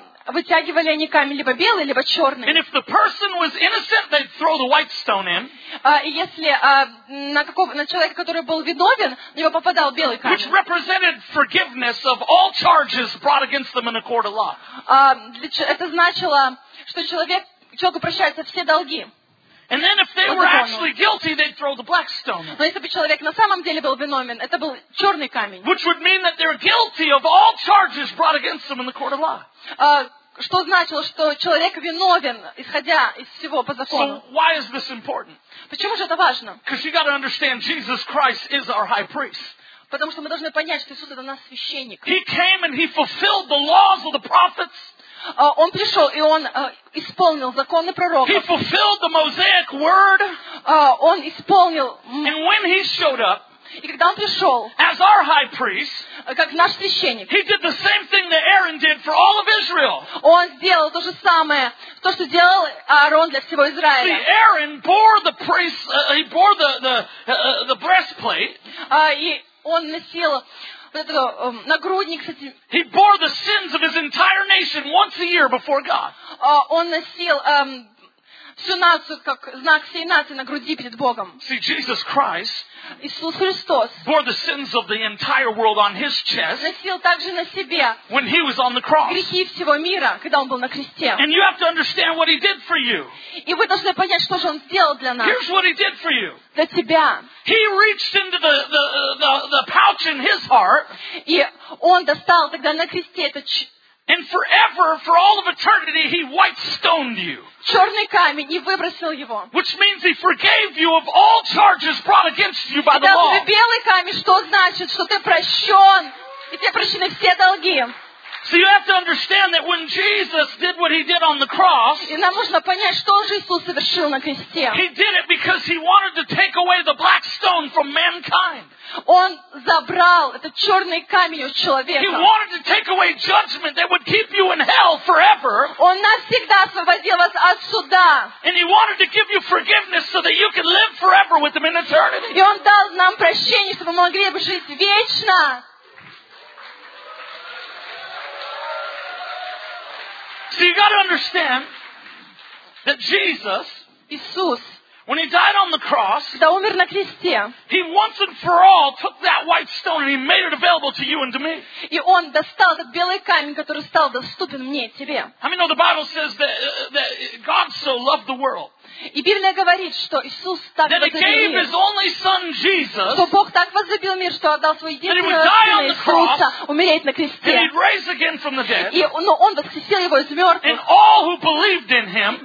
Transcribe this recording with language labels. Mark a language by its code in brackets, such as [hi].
[ru] Вытягивали они камень либо белый, либо черный. [en] And if the person was innocent, they'd throw the white stone in. [ru] И если на человека, который был виновен, на него попадал белый камень. [en] Which represented forgiveness of all charges brought against them in a court of law. [ru] Это значило, что человеку прощаются все долги. [en] And then if they were actually guilty, they'd throw the black stone in. [ru] Но если бы человек на самом деле был виновен, это был черный камень. [en] Which would mean that they're guilty of all charges brought against them in the court of law. [ru] Что значило, что человек виновен, исходя из всего по закону. [en] So why is this important? [ru] Почему же это важно? [en] Because you got to understand Jesus Christ is our high priest. [ru] Потому что мы должны понять, что Иисус это наш священник. [en] He came and he fulfilled the laws of the prophets. [ru] Он пришел и он исполнил законы пророков. [en] He fulfilled the Mosaic word. [ru] Он исполнил. [en] And when he showed up, [ru] и когда он пришел, [en] as our high priest, [ru] как наш священник, [en] he did the same thing that Aaron did for all of Israel. [ru] Он сделал то же самое, то что делал Аарон для всего Израиля. [en] See, Aaron bore the priest. He bore the breastplate. [ru] И он носил нагрудник. [en] He bore the sins of his entire nation once a year before God. [ru] Он носил всю нацию как знак всей нации на груди перед Богом. [en] See, Jesus Christ, [ru] Иисус Христос, [en] bore the sins of the entire world on his chest. [ru] Носил также на себе. [en] When he was on the cross. [ru] Грехи всего мира, когда он был на кресте. [en] And you have to understand what he did for you. [ru] И вы должны понять, что же он сделал для нас. [en] Here's what he did for you. [ru] Для тебя. [en] He reached into the pouch in his heart. [ru] И он достал тогда на кресте этот. [en] And forever, for all of eternity, he white-stoned you. [ru] Черный камень, и выбросил его. [en] Which means he forgave you of all charges brought against you by the law. [ru] И дал тебе белый камень, что значит, что ты прощен, и тебе прощены все долги. [en] So you have to understand that when Jesus did what he did on the cross, [ru] и нам нужно понять, что же Иисус совершил на кресте. [en] He did it because he wanted to take away the black stone from mankind. [ru] Он забрал этот черный камень у человека. [en] He wanted to take away judgment that would keep you in hell forever. [ru] Он навсегда освободил вас от суда. [en] And he wanted to give you forgiveness so that you can live forever with him in eternity. [ru] И он дал нам прощение, чтобы мы могли бы жить вечно. [en] So you got to understand that Jesus [ru] Иисус [en] When he died on the cross, [ru] когда умер на кресте, [en] he once and for all took that white stone and he made it available to you and to me. [ru] И он достал этот белый камень, который стал доступен мне и тебе. [en] How many know the Bible says that God so loved the world? [ru] И Библия говорит, что Иисус так возлюбил мир, что Бог так возлюбил мир, что отдал свой единственный сын Иисуса умереть на кресте. Но он воскресил его из мертвых.